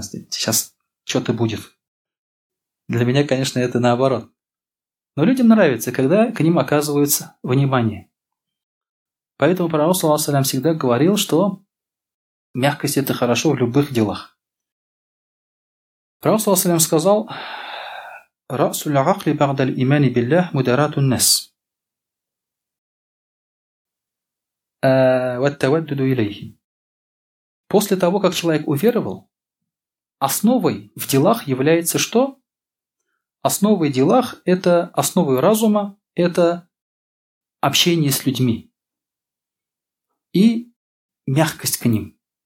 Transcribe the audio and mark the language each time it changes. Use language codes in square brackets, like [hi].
[ru] Сейчас что-то будет. Для меня, конечно, это наоборот. Но людям нравится, когда к ним оказывается внимание. Поэтому пророк, саллаллаху алейхи ва саллям, всегда говорил, что мягкость – это хорошо в любых делах. Пророк, саллаллаху алейхи ва саллям, сказал, [ar] رأس العقل بعد الإيمان بالله مدراة الناس والتودد إليه. [ru] После того, как человек уверовал, основой в делах является что? Основой в делах – это основой разума, это общение с людьми и мягкость к ним.